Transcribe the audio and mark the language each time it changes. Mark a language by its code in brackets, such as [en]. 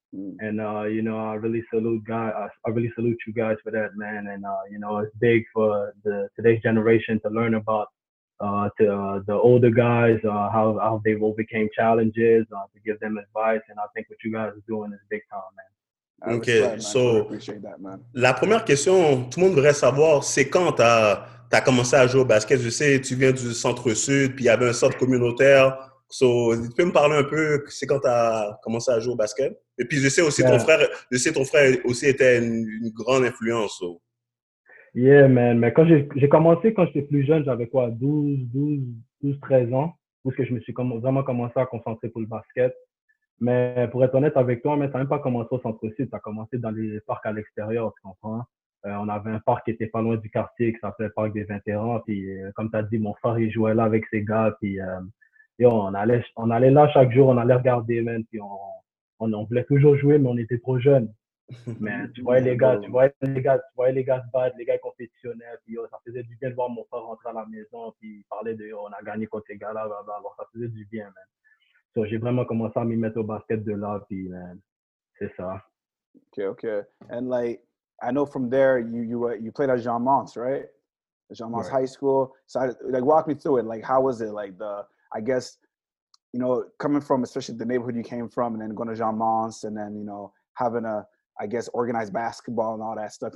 [en] And, you know, I really salute you guys for that, man. And, you know, it's big for today's generation to learn about the older guys, how they've overcame challenges, to give them advice. And I think what you guys are doing is big time, man. OK, respect, man. So, I appreciate that, man. [fr] La première question, tout le monde voudrait savoir, c'est quand t'as commencé à jouer au basket? Je sais, tu viens du centre-sud, puis il y avait un centre communautaire. So, tu peux me parler un peu, c'est quand t'as commencé à jouer au basket? Et puis, je sais ton frère aussi était une grande influence. [en] So. Yeah, man. [fr] Mais quand j'ai commencé, quand j'étais plus jeune, j'avais quoi, 12-13 ans, où est-ce que je me suis vraiment commencé à concentrer pour le basket. Mais pour être honnête avec toi, mais t'as même pas commencé au centre-sud, t'as commencé dans les parcs à l'extérieur, tu comprends? On avait un parc qui était pas loin du quartier, qui s'appelait Parc des Vétérans. Puis, comme t'as dit, mon frère, il jouait là avec ses gars. Puis, yo, on allait là chaque jour, on allait regarder, man, puis on voulait toujours jouer, mais on était trop jeunes. Mais tu vois les gars se battre, les gars compétitionnaires, puis yo, ça faisait du bien de voir mon frère rentrer à la maison, puis parler de yo, on a gagné contre ces gars-là, blablabla. Ça faisait du bien, man. So, j'ai vraiment commencé à m'y mettre au basket de là, puis man, c'est ça. OK. [en] And like, I know from there, you played at Jean Mons, right? Jean Mons, right. High School. So, like, walk me through it. Like, how was it? Like, I guess, you know, coming from, especially the neighborhood you came from, and then going to Jean Mons, and then, you know, having a, I guess, organized basketball and all that stuff.